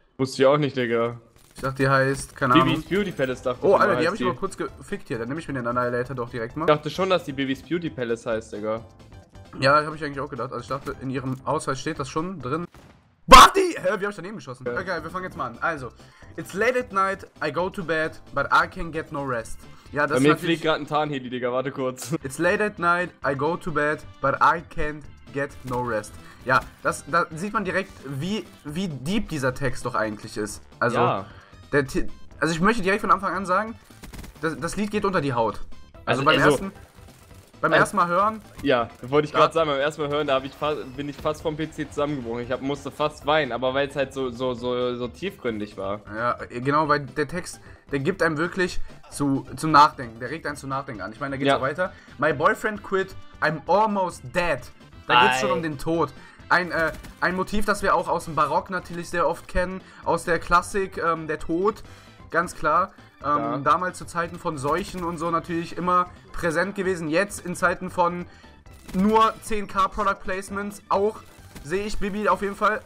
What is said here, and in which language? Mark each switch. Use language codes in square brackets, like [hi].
[de] Wusste ich auch nicht, Digga. Ich dachte, die heißt, keine Ahnung. Bibi's Beauty Palace dachte ich. Oh, Alter, die habe ich aber kurz gefickt hier. Dann nehme ich mir den Annihilator doch direkt mal. Ich dachte schon, dass die Bibi's Beauty Palace heißt, Digga. Ja, habe ich eigentlich auch gedacht. Also ich dachte, in ihrem Ausweis steht das schon drin. Buddy! Hä, wie hab ich daneben geschossen? Ja. Okay, wir fangen jetzt mal an. [en] Also, it's late at night, I go to bed, but I can't get no rest. [de] Ja, das bei mir fliegt gerade ein Tarnheli, Digga, warte kurz. [en] It's late at night, I go to bed, but I can't get no rest. [de] Ja, da sieht man direkt, wie deep dieser Text doch eigentlich ist. Also, ja. Also ich möchte direkt von Anfang an sagen, das Lied geht unter die Haut. Beim ersten Mal hören? Ja, wollte ich gerade sagen, beim ersten Mal hören, da bin ich fast vom PC zusammengebrochen. Ich musste fast weinen, aber weil es halt so tiefgründig war. Ja, genau, weil der Text, der gibt einem wirklich zum Nachdenken. Der regt einen zum Nachdenken an. Ich meine, da geht es ja weiter. [en] My boyfriend quit, I'm almost dead. [de] Da geht es schon um den Tod. Ein Motiv, das wir auch aus dem Barock natürlich sehr oft kennen, aus der Klassik, der Tod, ganz klar. Damals zu Zeiten von Seuchen und so natürlich immer präsent gewesen. Jetzt in Zeiten von nur 10.000 Product Placements auch sehe ich Bibi auf jeden Fall.